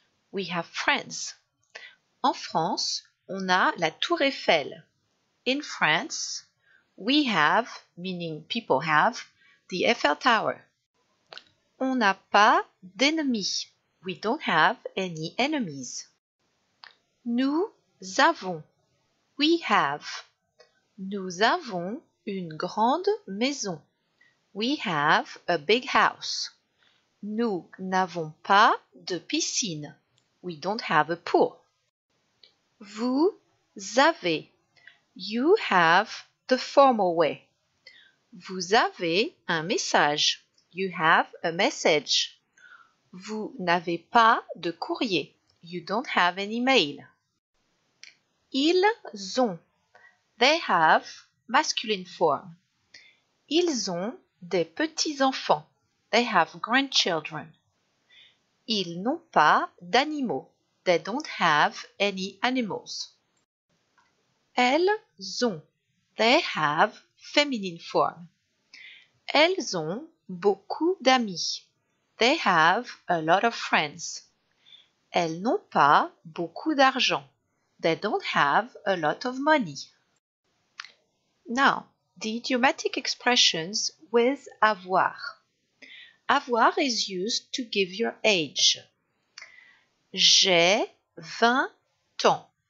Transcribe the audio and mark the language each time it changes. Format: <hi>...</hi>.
<en>We have friends.</en> <fr>En France, on a la Tour Eiffel.</fr> <en>In France, we have, meaning people have, the Eiffel Tower.</en> <fr>On n'a pas d'ennemis.</fr> <en>We don't have any enemies.</en> <fr>Nous avons.</fr> <en>We have.</en> <fr>Nous avons une grande maison.</fr> <en>We have a big house.</en> <fr>Nous n'avons pas de piscine.</fr> <en>We don't have a pool.</en> <fr>Vous avez.</fr> <en>You have the formal way.</en> <fr>Vous avez un message.</fr> <en>You have a message.</en> <fr>Vous n'avez pas de courrier.</fr> <en>You don't have any mail.</en> <fr>Ils ont.</fr> <en>They have masculine form.</en> <fr>Ils ont des petits-enfants.</fr> <en>They have grandchildren.</en> <fr>Ils n'ont pas d'animaux.</fr> <en>They don't have any animals.</en> <fr>Elles ont.</fr> <en>They have feminine form.</en> <fr>Elles ont beaucoup d'amis.</fr> <en>They have a lot of friends.</en> <fr>Elles n'ont pas beaucoup d'argent.</fr> <en>They don't have a lot of money. Now, the idiomatic expressions with avoir. Avoir is used to give your age.</en> <fr>J'ai 20 ans.</fr>